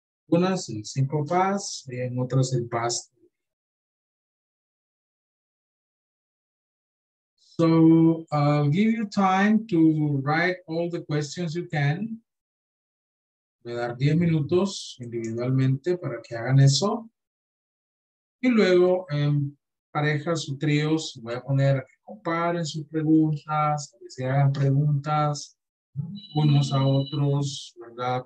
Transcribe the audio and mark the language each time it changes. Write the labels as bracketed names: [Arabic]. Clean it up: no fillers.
[Spanish] Unas el simple past y en otras el past. [English] So I'll give you time to write all the questions you can. [Spanish] Voy a dar 10 minutos individualmente para que hagan eso. Y luego en parejas o tríos voy a poner a que comparen sus preguntas, que se hagan preguntas unos a otros, ¿verdad?